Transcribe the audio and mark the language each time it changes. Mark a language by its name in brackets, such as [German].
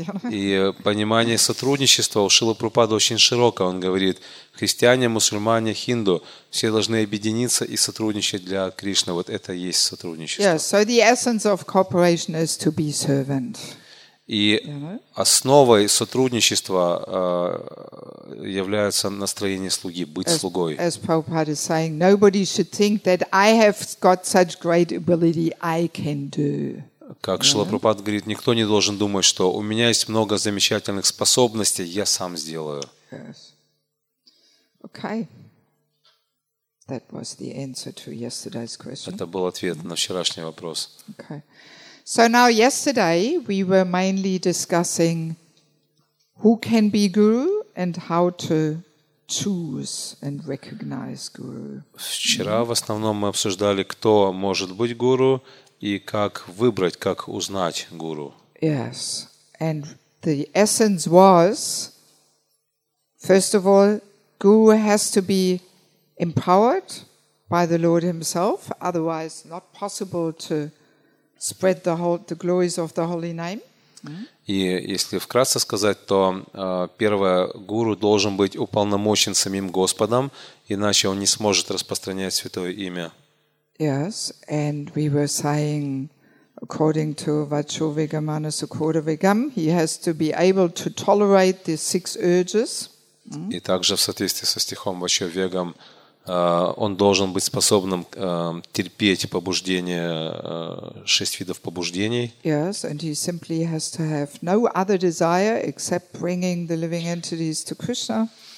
[Russian] И понимание сотрудничества у Шрилы Прабхупады очень широко. Он говорит, христиане, мусульмане, хинду, все должны объединиться и сотрудничать для Кришны. Вот это и есть сотрудничество. [English] Yes, so the essence of cooperation is to be servant. [Russian] И основой сотрудничества является настроение слуги, быть слугой. [English] As Prabhupada is saying, nobody should think that I have got such great ability I can do. [Russian] Как Шрила Прабхупада говорит, никто не должен думать, что у меня есть много замечательных способностей, я сам сделаю. [English] Yes. Okay. That was the answer to yesterday's question. [Russian] Это был ответ на вчерашний вопрос. [English] Okay. So now yesterday we were mainly discussing who can be guru and how to choose and recognize guru. [Russian] Вчера в основном мы обсуждали, кто может быть гуру и как выбрать, как узнать гуру. [English] Yes. And the essence was, first of all, guru has to be empowered by the Lord himself, otherwise not possible to spread the glories of the holy name. [Russian] И если вкратце сказать, то первое, гуру должен быть уполномочен самим Господом, иначе он не сможет распространять святое имя. [English] Yes, and we were saying, according to Vachovigamana Sukhodavigam, he has to be able to tolerate the six urges. [Russian] И также в соответствии со стихом Вачовигам, он должен быть способным терпеть побуждение, шесть видов побуждений. [English] Yes, and he simply has to have no other desire except bringing the living entities to Krishna.